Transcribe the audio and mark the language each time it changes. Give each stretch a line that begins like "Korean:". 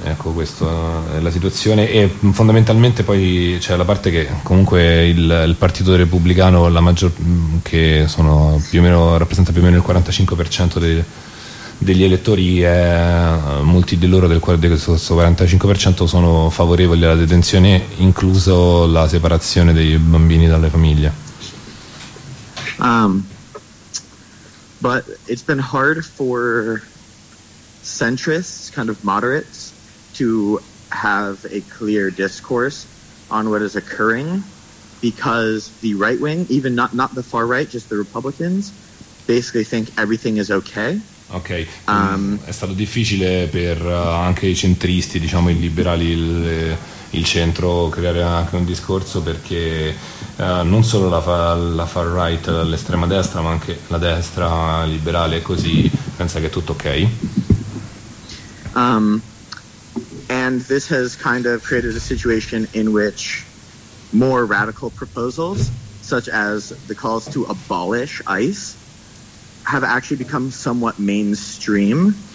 Italian: Ecco, questa è la situazione. E fondamentalmente poi c'è la parte che comunque il Partito Repubblicano, la maggior, che sono più o meno, rappresenta più o meno il 45% degli elettori, e molti di loro, del quale di questo 45%, sono favorevoli alla detenzione, incluso la separazione dei bambini dalle famiglie.
English: But it's been hard for centrists, kind of moderates, to have a clear discourse on what is occurring, because the right wing, even not the far right, just the Republicans, basically think everything is okay.
Italian: Ok, è stato difficile per anche i centristi, diciamo i liberali, il centro, creare anche un discorso, perché non solo la far right, l'estrema destra, ma anche la destra liberale è così, pensa che è tutto ok.
English: And this has kind of created a situation in which more radical proposals, such as the calls to abolish ICE, have actually become somewhat mainstream.